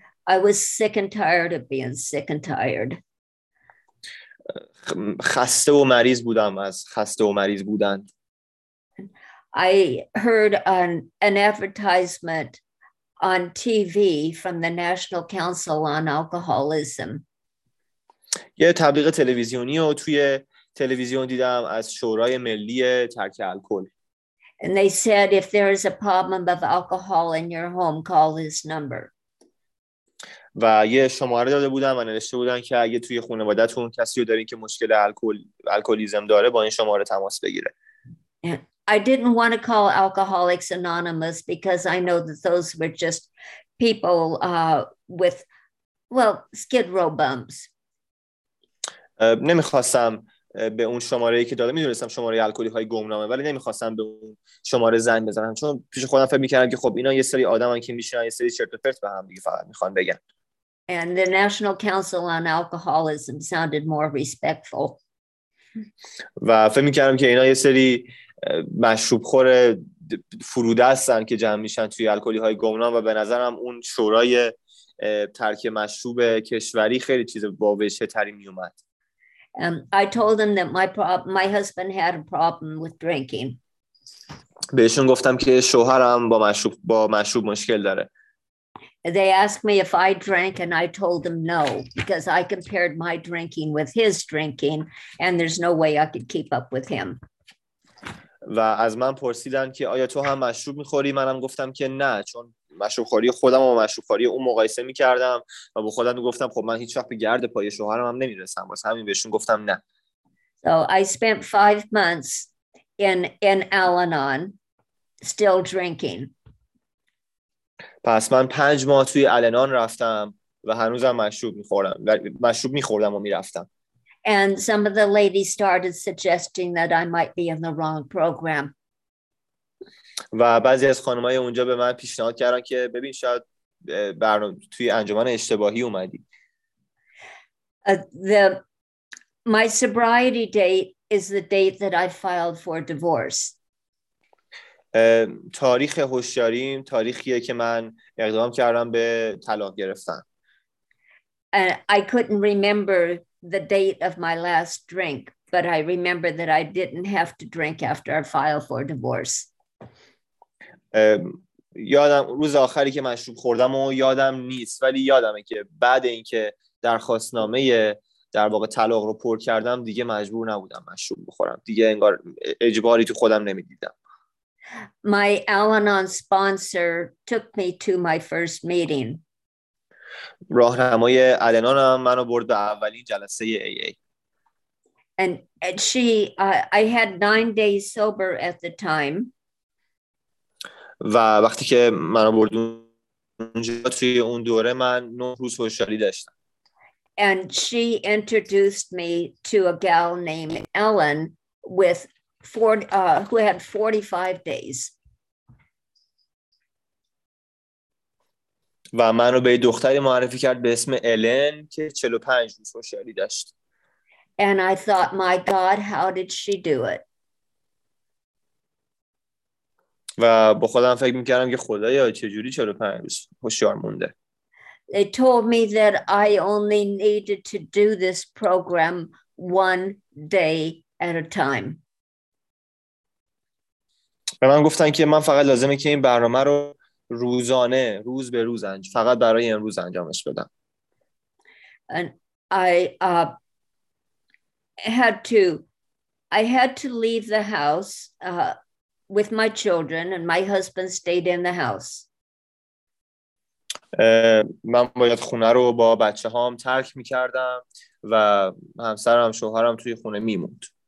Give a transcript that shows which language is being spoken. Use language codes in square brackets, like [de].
[en] I was sick and tired of being sick and tired. [fa] خسته و مریض بودم از خسته و مریض بودن. [en] I heard an advertisement on TV from the National Council on Alcoholism. [fa] یه تبلیغ تلویزیونی رو توی تلویزیون دیدم از شورای ملی ترک الکل. [en] And they said if there is a problem of alcohol in your home, call this number. [fa] و یه شماره داده بودن و نوشته بودن که اگه توی خانوادتون کسی رو دارین که مشکل الکلیزم داره با این شماره تماس بگیره. [en] I didn't want to call Alcoholics Anonymous because I know that those were just people with skid row bumps. [fa] نمیخواستم به اون شماره‌ای که داده میدونستم شماره الکلی های گمنامه، ولی نمیخواستم به اون شماره زنگ بزنم چون پیش خودم فکر میکردم که خب اینا یه سری آدم هن که میشنن یه سری چرت و پرت به هم دیگه فقط میخوان بگن. [en] And the National Council on Alcoholism sounded more respectful. [fa] و فکر میکردم که اینا یه سری مشروب خور فروده هستن که جمع میشن توی الکلی های گمنام و به نظرم اون شورای ترک مشروب کشوری خیلی چیز با وجه تری میومد. [en] I told them that my husband had a problem with drinking. [fa] بهشون گفتم که شوهرم با مشروب مشکل داره. [en] They asked me if I drank and I told them no because I compared my drinking with his drinking and there's no way I could keep up with him. [fa] و از من پرسیدن که آیا تو هم مشروب می‌خوری؟ منم گفتم که نه، چون مشروب خوری خودم و مشروب خوری اون مقایسه میکردم و با خودم گفتم خب من هیچ وقت به گرد پای شوهرم هم نمیرسم، واسه همین بهشون گفتم نه. [en] So I spent 5 months in Al-Anon still drinking. [fa] پس من 5 ماه توی Al-Anon رفتم و هنوزم مشروب میخوردم و میرفتم. [en] And some of the ladies started suggesting that I might be in the wrong program. [fa] و بعضی از خانمای اونجا به من پیشنهاد کردن که ببین شاید برنامه توی انجمن اشتباهی اومدی. [en] My sobriety date is the date that I filed for divorce. [fa] تاریخ هوشیاریم تاریخیه که من اقدام کردم به طلاق گرفتن. [en] I couldn't remember the date of my last drink, but I remember that I didn't have to drink after I filed for divorce. [fa] یادم روز آخری که مشروب خوردم و یادم نیست، ولی یادمه که بعد اینکه درخواست نامه در واقع طلاق رو پر کردم دیگه مجبور نبودم مشروب بخورم، دیگه انگار اجباری تو خودم نمیدیدم. [en] My Al-Anon sponsor took me to my first meeting. [fa] راهنمای الانان هم منو برد به اولین جلسه AA. [en] And she, I had 9 days sober at the time. [fa] و وقتی که منو برد اونجا توی اون دوره من 9 روز هوشیاری داشتم. [en] And she introduced me to a gal named Ellen with who had 45 days. [fa] و منو به دختری معرفی کرد به اسم الن که 45 روز هوشیاری داشت. [en] And I thought, my God, how did she do it? [fa] و با خودم فکر میکردم که خدایا چجوری 45 روز هوشیار مونده. [en] They told me that I only needed to do this program 1 day at a time. [fa] به من گفتن که من فقط لازمه که این برنامه رو روزانه روز به روز فقط برای امروز انجامش بدم. [en] And I had to leave the house with my children, and my husband stayed in the house. [fa] من باید خونه رو با بچه هام ترک می کردم و همسرم شوهرم توی خونه می موند.